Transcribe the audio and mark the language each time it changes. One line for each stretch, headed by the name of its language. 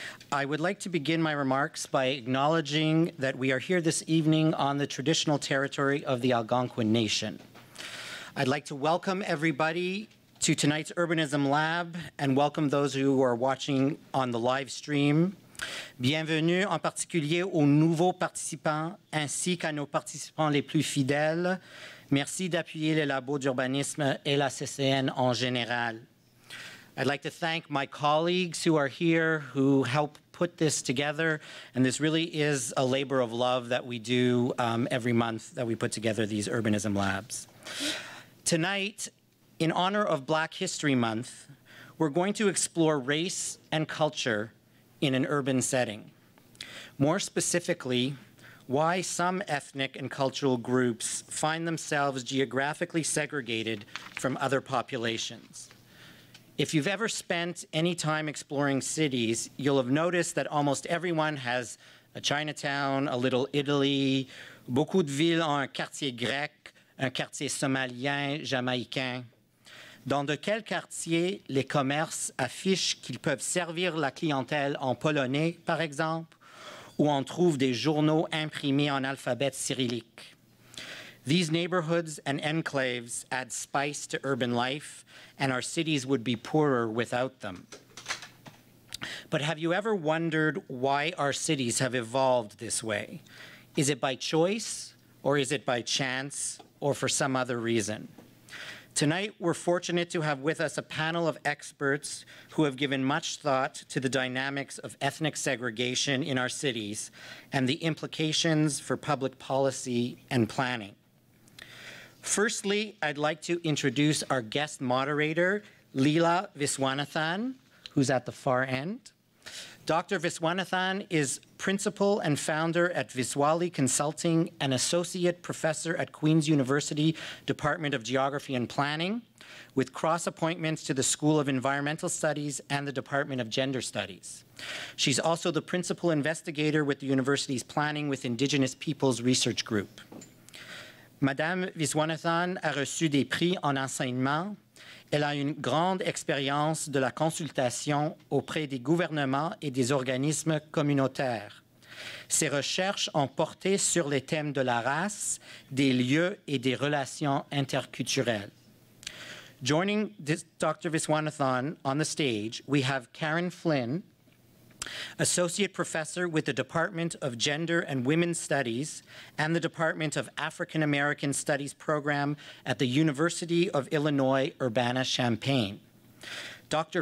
English: I would like to begin my remarks by acknowledging that we are here this evening on the traditional territory of the Algonquin Nation. I'd like to welcome everybody to tonight's Urbanism Lab and welcome those who are watching on the live stream.
French: Bienvenue en particulier aux nouveaux participants ainsi qu'à nos participants les plus fidèles. Merci d'appuyer les labos d'urbanisme et la CCN en général.
English: I'd like to thank my colleagues who are here who help put this together, and this really is a labor of love that we do every month that we put together these Urbanism Labs. Tonight, in honor of Black History Month, we're going to explore race and culture in an urban setting. More specifically, why some ethnic and cultural groups find themselves geographically segregated from other populations. If you've ever spent any time exploring cities, you'll have noticed that almost everyone has a Chinatown, a Little Italy, beaucoup de villes ont un quartier grec, un quartier somalien, jamaïcain.
French: Dans de quels quartiers les commerces affichent qu'ils peuvent servir la clientèle en polonais, par exemple, où on trouve des journaux imprimés en alphabet cyrillique?
English: These neighborhoods and enclaves add spice to urban life, and our cities would be poorer without them. But have you ever wondered why our cities have evolved this way? Is it by choice, or is it by chance, or for some other reason? Tonight, we're fortunate to have with us a panel of experts who have given much thought to the dynamics of ethnic segregation in our cities and the implications for public policy and planning. Firstly, I'd like to introduce our guest moderator, Lila Viswanathan, who's at the far end. Dr. Viswanathan is principal and founder at Viswali Consulting and associate professor at Queen's University Department of Geography and Planning, with cross appointments to the School of Environmental Studies and the Department of Gender Studies. She's also the principal investigator with the university's Planning with Indigenous Peoples Research Group.
French: Madame Viswanathan a reçu des prix en enseignement. Elle a une grande expérience de la consultation auprès des gouvernements et des organismes communautaires. Ses recherches ont porté sur les thèmes de la race, des lieux et des relations interculturelles.
English: Joining this, Dr. Viswanathan on the stage, we have Karen Flynn, Associate Professor with the Department of Gender and Women's Studies and the Department of African American Studies Program at the University of Illinois Urbana-Champaign. Dr.